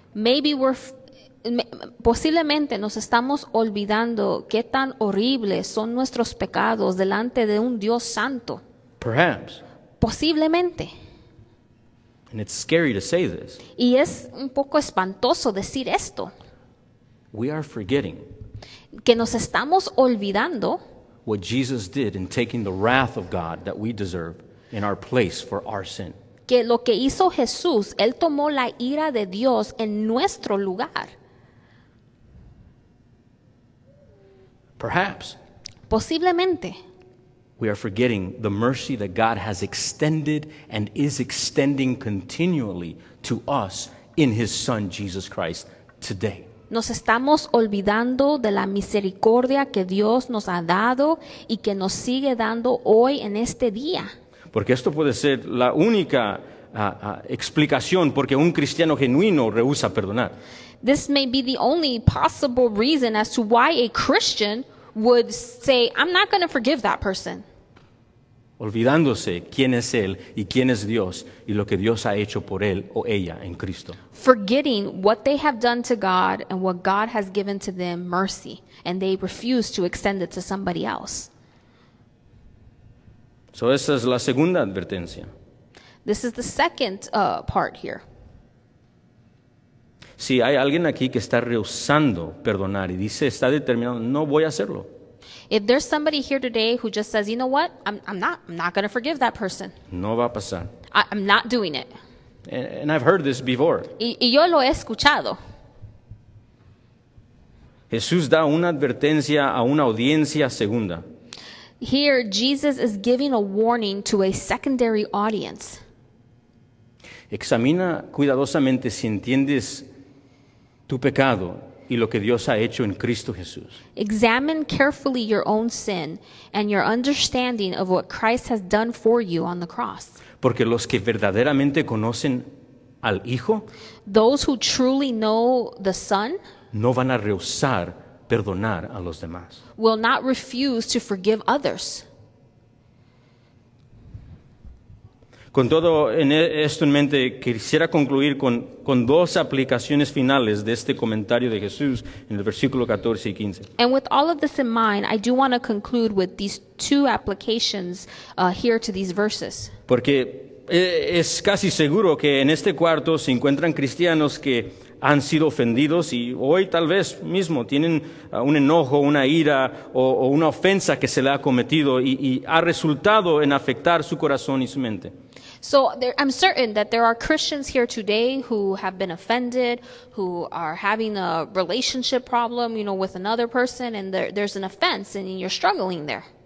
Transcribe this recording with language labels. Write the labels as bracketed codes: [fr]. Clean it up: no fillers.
[es] Maybe posiblemente nos estamos olvidando qué tan horribles son nuestros pecados delante de un Dios santo. [en] Perhaps. [es] Posiblemente. [en] And it's scary to say this. [es] Y es un poco espantoso decir esto. [en] We are forgetting. [es] Que nos estamos olvidando [en] what Jesus did in taking the wrath of God that we deserve in our place for our sin. [es] Que lo que hizo Jesús, él tomó la ira de Dios en nuestro lugar. [en] Perhaps. [es] Posiblemente. [en] We are forgetting the mercy that God has extended and is extending continually to us in His Son Jesus Christ today. [es] Nos estamos olvidando de la misericordia que Dios nos ha dado y que nos sigue dando hoy en este día. Porque esto puede ser la única explicación porque un cristiano genuino rehúsa perdonar. [en] This may be the only possible reason as to why a Christian would say, I'm not going to forgive that person. [es] Olvidándose quién es él y quién es Dios y lo que Dios ha hecho por él o ella en Cristo. [en] Forgetting what they have done to God and what God has given to them mercy, and they refuse to extend it to somebody else. [es] So esa es la segunda advertencia. [en] This is the second part here. [es] Si hay alguien aquí que está rehusando perdonar y dice, está determinado, no voy a hacerlo. [en] If there's somebody here today who just says, you know what, I'm not going to forgive that person. [es] No va a pasar. [en] I'm not doing it. And I've heard this before. [es] Y yo lo he escuchado. Jesús da una advertencia a una audiencia segunda. [en] Here, Jesus is giving a warning to a secondary audience. [es] Examina cuidadosamente si entiendes tu pecado y lo que Dios ha hecho en Cristo Jesús. [en] Examine carefully your own sin and your understanding of what Christ has done for you on the cross. [es] Porque los que verdaderamente conocen al Hijo, [en] those who truly know the Son, [es] no van a rehusar perdonar a los demás. [en] Will not refuse to forgive others. [es] Con todo en esto en mente, quisiera concluir con dos aplicaciones finales de este comentario de Jesús en el versículo 14 y 15. [en] And with all of this in mind, I do want to conclude with these two applications here to these verses. [es] Porque es casi seguro que en este cuarto se encuentran cristianos que han sido ofendidos y hoy tal vez mismo tienen un enojo, una ira o una ofensa que se le ha cometido y ha resultado en afectar su corazón y su mente. [en] So I'm certain that there are Christians here today who have been offended, who are having a relationship problem, you know, with another person, and there's an offense and you're struggling there.